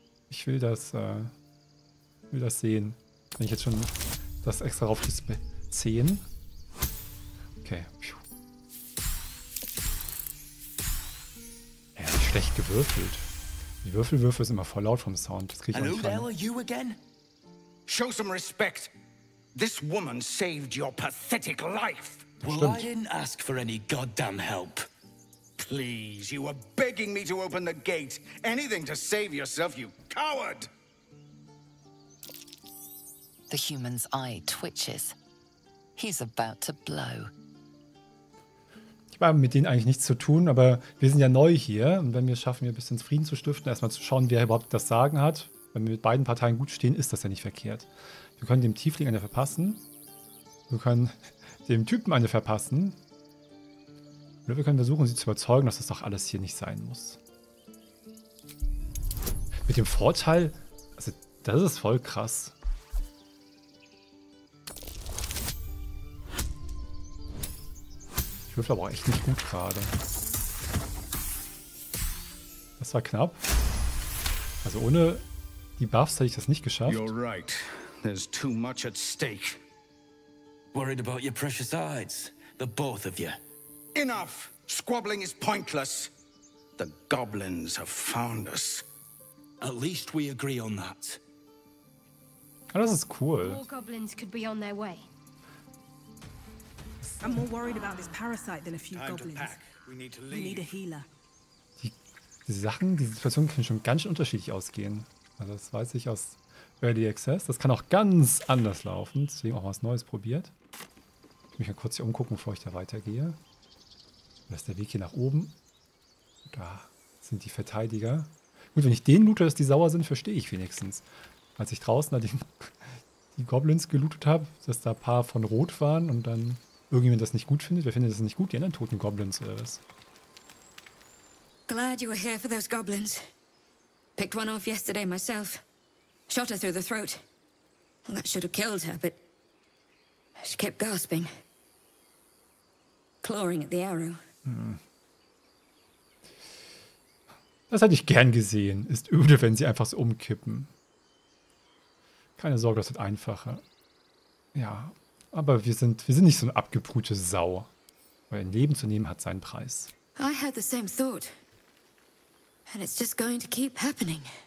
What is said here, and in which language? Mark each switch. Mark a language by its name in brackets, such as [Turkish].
[German] Ich will das. Will das sehen. Wenn ich jetzt schon das extra drauf gespe. 10. Okay. Echt gewürfelt. Die Würfelwürfe ist immer voll laut vom Sound. Das kriege ich nicht. [English] Hello, there, you again? Show some respect. This woman saved your pathetic life. Well, I didn't ask for any goddamn help. Please, you were begging me to open the gate. Anything to save yourself, you coward. The human's eye twitches. He's about to blow. [German] Ich habe mit denen eigentlich nichts zu tun, aber wir sind ja neu hier. Und wenn wir es schaffen, hier ein bisschen Frieden zu stiften, erstmal zu schauen, wer überhaupt das Sagen hat. Wenn wir mit beiden Parteien gut stehen, ist das ja nicht verkehrt. Wir können dem Tiefling eine verpassen. Wir können dem Typen eine verpassen. Oder wir können versuchen, sie zu überzeugen, dass das doch alles hier nicht sein muss. Mit dem Vorteil, also das ist voll krass. Ich würfel aber auch echt nicht gut gerade. Das war knapp. Also ohne die Buffs hätte ich das nicht geschafft. [English] You're right. There's too much at stake. Worried about your precious eyes. The both of you. Enough! Squabbling is pointless. The goblins have found us. At least we agree on that. [German] Ah, das ist cool. [English] More goblins could be on their way. I'm more worried about this parasite than a few goblins. We need a healer. [German] Die Sachen, die Situationen können schon ganz unterschiedlich ausgehen. Also das weiß ich aus Early Access. Das kann auch ganz anders laufen. Deswegen auch was Neues probiert. Ich muss mich mal kurz hier umgucken, bevor ich da weitergehe. Da ist der Weg hier nach oben. Da sind die Verteidiger. Gut, wenn ich den loote, dass die sauer sind, verstehe ich wenigstens. Als ich draußen da die Goblins gelootet habe, dass da ein paar von rot waren und dann irgendjemand das nicht gut findet. Wer findet das nicht gut? Die anderen toten Goblins oder was? [English] Glad you were here for those goblins. Picked one off yesterday myself. Shot her through the throat. Well, that should have killed her, but she kept gasping. Clawing at the arrow. [German] Das hätte ich gern gesehen. Ist öde, wenn sie einfach so umkippen. Keine Sorge, das wird einfacher. Ja. Aber wir sind nicht so eine abgebrühte Sau. Weil ein Leben zu nehmen hat seinen Preis. [English] I had the same thought. And it's just going to keep happening.